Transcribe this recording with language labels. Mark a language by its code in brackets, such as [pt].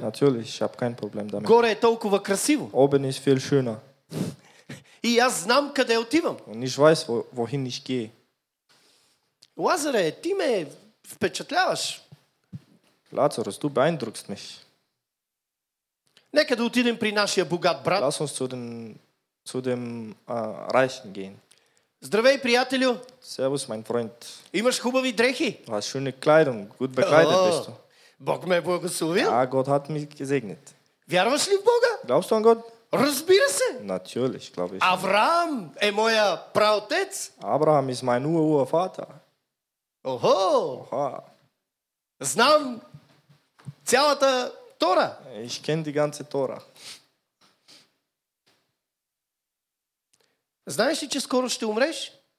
[de] Natürlich, ich habe kein Problem damit. [bg] Горе е толкова красиво. [de] Oben ist viel schöner. [bg] И аз знам къде отивам. [de] Und ich weiß, wohin ich gehe. [bg] Лазаре, ти ме впечатляваш. [de] Lazarus, du beeindruckst mich. [bg] Некъде отидем при нашия богат брат. [de] Lass uns zu dem reichen gehen. [bg] Здравей, приятелю. [de] Servus, mein Freund. [bg] Имаш хубави дрехи. [de] Du hast schöne Kleidung, gut bekleidet bist du. [bg] Бог ме благословил. [de] Ja, Gott hat mich gesegnet. [bg] Вярваш ли в Бога? [de] Glaubst du an Gott? [bg] Разбира се. [de] Natürlich, glaube ich. [bg] Авраам е моя праотец. [de] Abraham ist mein Urvater. Охо! Оха! [bg] Знам цялата Тора. [de] Ich kenne die ganze Tora. [bg] Знаеш ли, че скоро ще умреш?